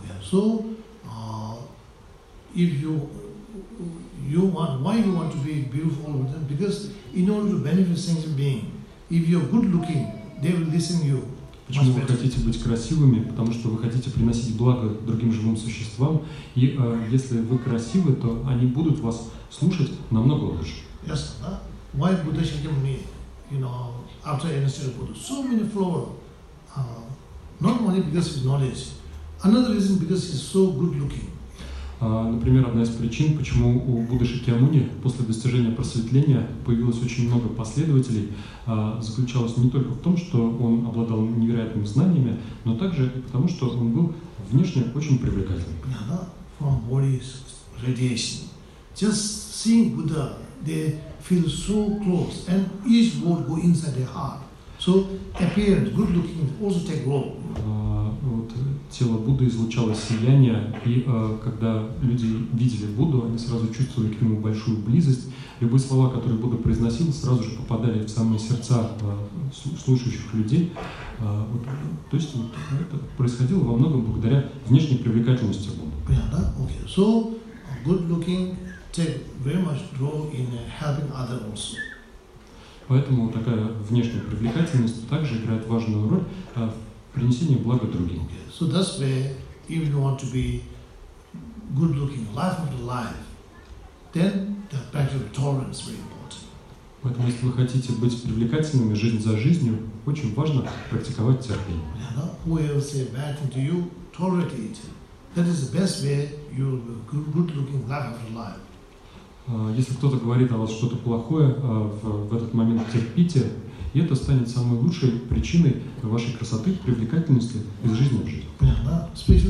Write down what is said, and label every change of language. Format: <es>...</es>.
<en>So, if you want, why you want to be beautiful? Because in order to benefit sentient being, if you are good looking, they will listen to you.</en> <ru>Почему вы хотите быть красивыми? Потому что вы хотите приносить благо другим живым существам. И если вы красивы, то они будут вас слушать намного лучше.</ru> <en>Yes, huh? Why Buddha Shakyamuni? You know, after Anastasia Buddha, so many flower. Not only because of knowledge. Another reason because he's so good looking.</en> <ru>Например, одна из причин, почему у Будды Шакьямуни после достижения просветления появилось очень много последователей, заключалась не только в том, что он обладал невероятными знаниями, но также и потому, что он был внешне очень привлекательным.</ru> <en>From body radiation. Just seeing Buddha, they feel so close and each word go inside their heart. So appearance, good looking, also take role.</en> <ru>Вот тело Будды излучало сияние, и когда люди видели Будду, они сразу чувствовали к нему большую близость. Любые слова, которые Будда произносил, сразу же попадали в самые сердца слушающих людей. То есть это происходило во многом благодаря внешней привлекательности Будды. Понятно? Окей.</ru> <en>So, good looking take very much role in helping others also.</en> <ru>Поэтому такая внешняя привлекательность также играет важную роль в принесении блага другим.</ru> <en>Okay. So that's where, if you want to be good-looking, life of the life, then the practice of tolerance is very important.</en> <ru>Поэтому, если вы хотите быть привлекательными жизнь за жизнью, очень важно практиковать терпение.</ru> <en>Yeah, no? Whoever say bad thing to you, tolerate it. That is the best way you will be good-looking life of the life.</en> <ru>Если кто-то говорит о вас что-то плохое, в этот момент терпите, и это станет самой лучшей причиной вашей красоты, привлекательности из жизни в</ru>